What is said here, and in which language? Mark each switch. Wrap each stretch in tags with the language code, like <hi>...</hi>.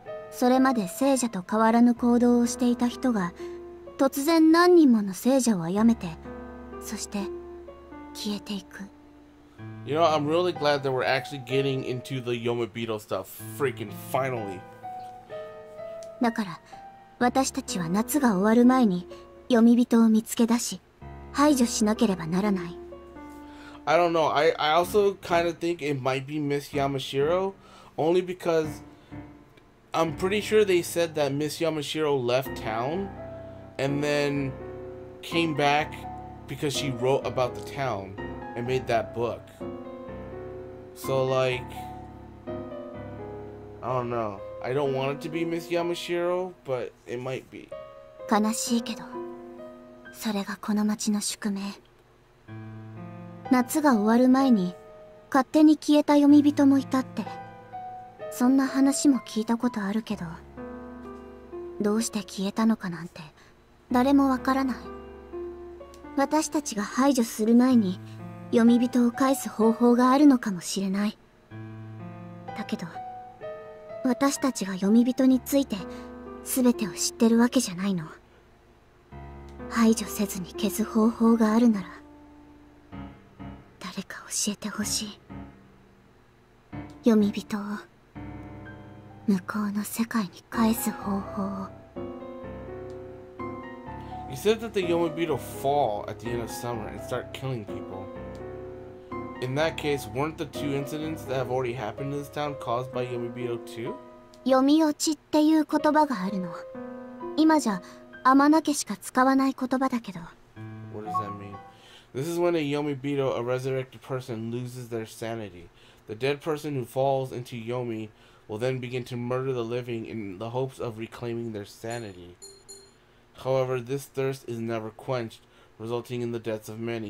<ja>それまで聖者と変わらぬ行動をしていた人が、突然何人もの聖者を殺めて、そして消えていく。</ja> <en>You know, I'm really glad that we're actually getting into the Yomibito stuff, freaking finally.</en> <ja>だから、私たちは夏が終わる前に、Yomibitoを見つけ出し、排除しなければならない。</ja> <en>I don't know. I also kind of think it might be Miss Yamashiro, only because I'm pretty sure they said that Miss Yamashiro left town and then came back because she wrote about the town. And made that book. So, like, I don't know. I don't want it to be Miss Yamashiro, but it might be.</en> <ja>悲しいけど、それがこの町の宿命。夏が終わる前に、勝手に消えた読み人もいたって。そんな話も聞いたことあるけど、どうして消えたのかなんて、誰もわからない。私たちが排除する前に、読み人を返す方法があるのかもしれない。だけど、私たちが読み人について、すべてを知ってるわけじゃないの。排除せずに消す方法があるなら、誰か教えてほしい。読み人を、向こうの世界に返す方法を。</ja> <en>You said that the Yomibito fall at the end of summer and start killing people. In that case, weren't the two incidents that have already happened in this town caused by Yomibito too?</en> <ja>Yomiochi っていう言葉があるの。今じゃ、天泣しか使わない言葉だけど。</ja> <en>What does that mean? This is when a Yomibito, a resurrected person, loses their sanity. The dead person who falls into Yomi will then begin to murder the living in the hopes of reclaiming their sanity. However, this thirst is never quenched, resulting in the deaths of many.</en>